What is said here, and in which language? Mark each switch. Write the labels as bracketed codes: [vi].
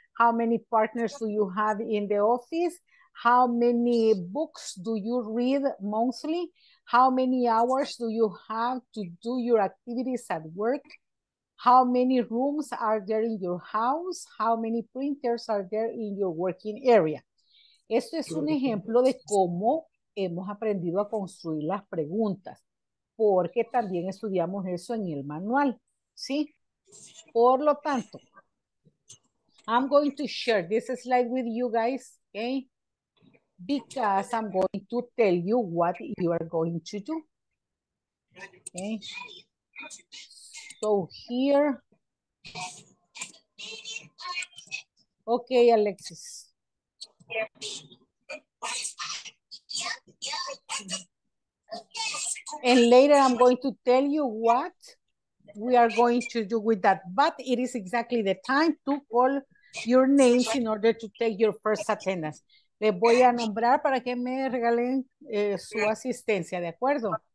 [en] How many partners do you have in the office? How many books do you read monthly? How many hours do you have to do your activities at work? How many rooms are there in your house? How many printers are there in your working area? [es] Esto es un ejemplo de cómo hemos aprendido a construir las preguntas, porque también estudiamos eso en el manual, ¿sí? Por lo tanto, [en] I'm going to share this slide with you guys, okay? Because I'm going to tell you what you are going to do. Okay. So here. Okay, Alexis. And later I'm going to tell you what we are going to do with that. But it is exactly the time to call your names in order to take your first attendance. [es] Les voy a nombrar para que me regalen su asistencia, ¿de acuerdo?